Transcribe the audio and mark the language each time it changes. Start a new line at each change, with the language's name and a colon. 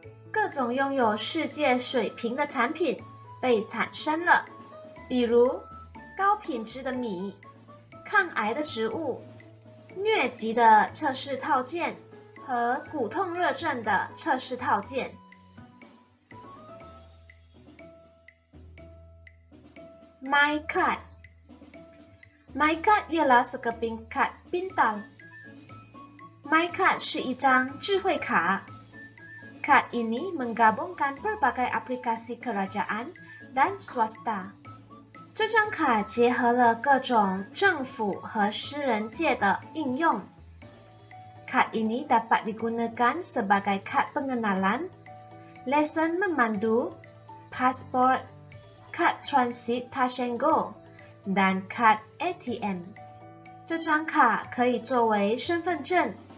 Chinese: 各种拥有世界水平的产品被产生了，比如高品质的米、抗癌的植物、疟疾的测试套件和骨痛热症的测试套件。
Malay: MyCard MyCard ialah sekeping kad pintar.
Chinese: MyCard 是一张智慧卡。
Malay: Kad ini menggabungkan berbagai aplikasi kerajaan dan swasta.
Chinese: 这张卡结合了各种政府和私人界的应用。
Malay: 卡 ini dapat digunakan sebagai kad pengenalan, lesen memandu, pasport, kad transit tashengo, dan kad ATM.
Chinese: 这张卡可以作为身份证。